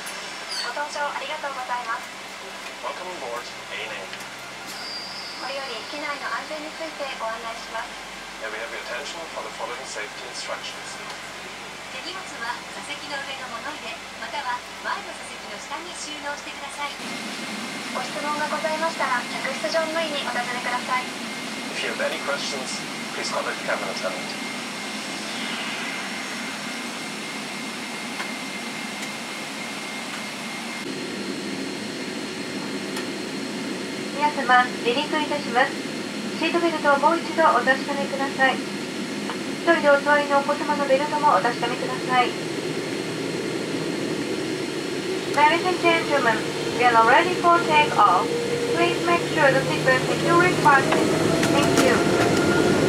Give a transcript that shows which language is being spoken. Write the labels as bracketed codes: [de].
[en] Welcome aboard ANA. [ja] これより機内の安全についてご案内します。 [en] May we have your attention for the following safety instructions. [ja] 手荷物は座席の上の物入れ、または前の座席の下に収納してください。ご質問がございましたら、客室乗務員にお尋ねください。 [en] If you have any questions, please contact the cabin attendant. [ja] 皆様、離陸いたします。シートベルトをもう一度お確かめください。一人でお座りのお子様のベルトもお確かめください。 [en] Ladies and gentlemen, we are ready for take off. Please make sure the seat belt is securely fastened. Thank you.